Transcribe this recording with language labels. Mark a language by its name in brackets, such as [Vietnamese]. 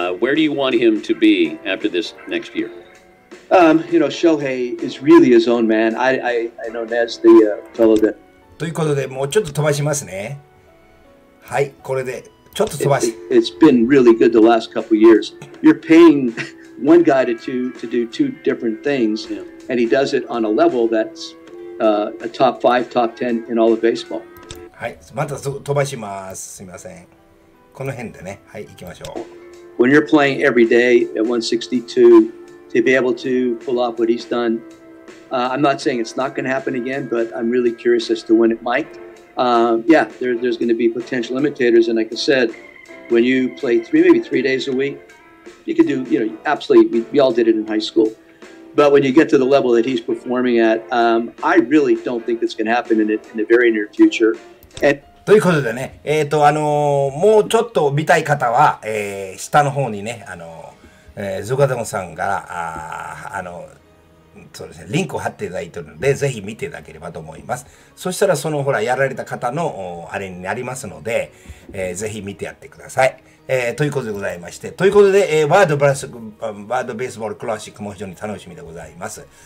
[English] Where do you want him to be after this next year? Shohei is really his own man. I know Nez, the fellow that... [Japanese] ということで、もうちょっと飛ばしますね。はい、これで、ちょっと飛ばし。 [English] It's been really good the last couple of years. You're paying one guy to do two different things, and he does it on a level that's a top five, top ten in all of baseball. [Japanese] はい、また飛ばします。すみません。この辺でね、はい、行きましょう。 [English] When you're playing every day at 162... to be able to pull off what he's done. I'm not saying it's not going to happen again, but I'm really curious as to when it might. There's going to be potential imitators. And like I said, when you play maybe three days a week, you could do, absolutely, we all did it in high school. But when you get to the level that he's performing at, I really don't think it's going to happen in the very near future. And... [Japanese] ということでね、もうちょっと見たい方は、下の方にね、ゾガゾンさんがそうですね、リンクを貼っていただいているので、ぜひ見ていただければと思います。そしたらそのほらやられた方のあれになりますので、ぜひ見てやってください、ということでございまして、ということで、ワールドベースボールクラシックも非常に楽しみでございます。